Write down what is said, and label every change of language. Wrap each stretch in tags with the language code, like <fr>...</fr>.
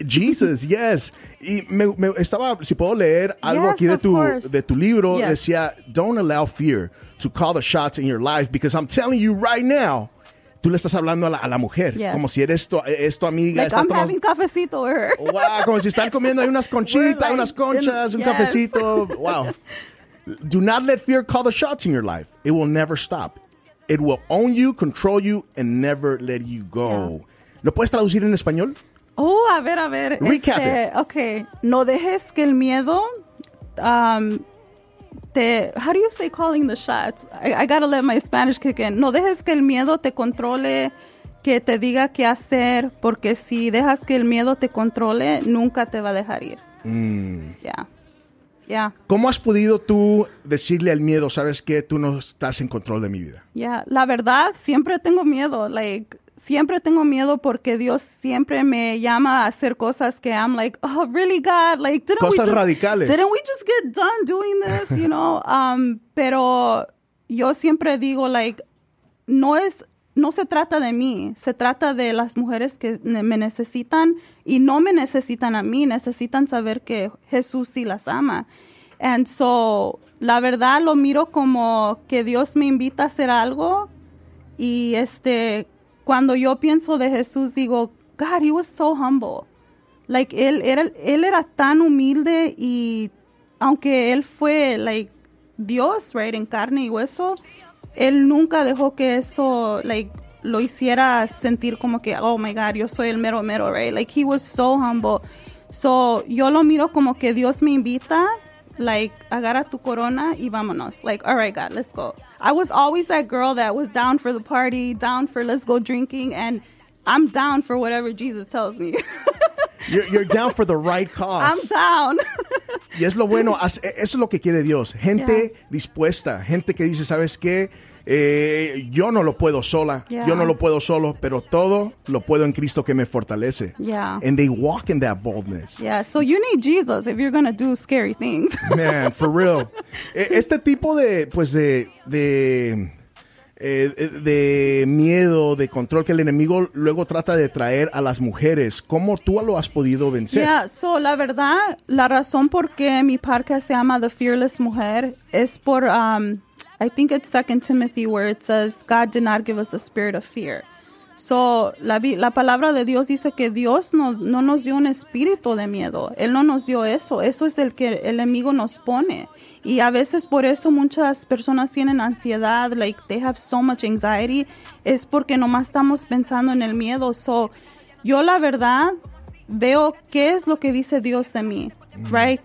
<es>Jesus, yes. Y me estaba, si puedo leer algo aquí de tu libro, decía,</es> <en>don't allow fear to call the shots in your life, because I'm telling you right now,</en> <es>tú le estás hablando a la mujer, como si eres tu amiga.</es> <en>Like, I'm having cafecito with her.</en> <es>Wow, como si están comiendo ahí unas conchitas, like, unas conchas, un cafecito.</es> <en>Wow. Do not let fear call the shots in your life. It will never stop. It will own you, control you, and never let you go.</en> <es>Yeah. ¿Lo puedes traducir en español? Oh, a ver.</es> <en>Recap it.</en> <es>Okay. No dejes que el miedo te...</es> <en>How do you say calling the shots? I gotta let my Spanish kick in.</en> <es>No dejes que el miedo te controle, que te diga qué hacer, porque si dejas que el miedo te controle, nunca te va a dejar ir. Mm.</es> <en>Yeah.</en> <es>¿Cómo has podido tú decirle al miedo, sabes qué, tú no estás en control de mi vida? Yeah, la verdad, siempre tengo miedo, like... Siempre tengo miedo porque Dios siempre me llama a hacer cosas que</es> <en>I'm like, oh, really, God? Like, didn't we just get done doing this, you know?</en> <es>Pero yo siempre digo, like, no se trata de mí. Se trata de las mujeres que me necesitan y no me necesitan a mí. Necesitan saber que Jesús sí las ama. And so, la verdad, lo miro como que Dios me invita a hacer algo y cuando yo pienso de Jesús, digo,</es> <en>God, he was so humble.</en> <es>Like, él era tan humilde y aunque él fue, like, Dios, right, en carne y hueso, él nunca dejó que eso, like, lo hiciera sentir como que, oh, my God, yo soy el mero mero, right?</es> <en>Like, he was so humble.</en> <es>So, yo lo miro como que Dios me invita, like, agarra tu corona y vámonos.</es> <en>Like, all right, God, let's go. I was always that girl that was down for the party, down for let's go drinking, and I'm down for whatever Jesus tells me. you're down for the right cause. I'm down.</en> <es>Y es lo bueno, eso es lo que quiere Dios. Gente dispuesta, gente que dice, ¿sabes qué? Yo no lo puedo sola, yo no lo puedo solo, pero todo lo puedo en Cristo que me fortalece.</es> <en>Yeah. And they walk in that boldness. Yeah, so you need Jesus if you're going to do scary things. Man, for real.</en> <es>Este tipo de miedo, de control que el enemigo luego trata de traer a las mujeres, ¿cómo tú lo has podido vencer? Yeah, so la verdad, la razón por qué mi parque se llama The Fearless Mujer es por...</es> <en>I think it's 2 Timothy where it says, God did not give us a spirit of fear.</en> <es>So, la palabra de Dios dice que Dios no nos dio un espíritu de miedo. Él no nos dio eso. Eso es el que el enemigo nos pone. Y a veces por eso muchas personas tienen ansiedad,</es> <en>like they have so much anxiety.</en> <es>Es porque nomás estamos pensando en el miedo. So, yo la verdad veo qué es lo que dice Dios de mí, right?</es>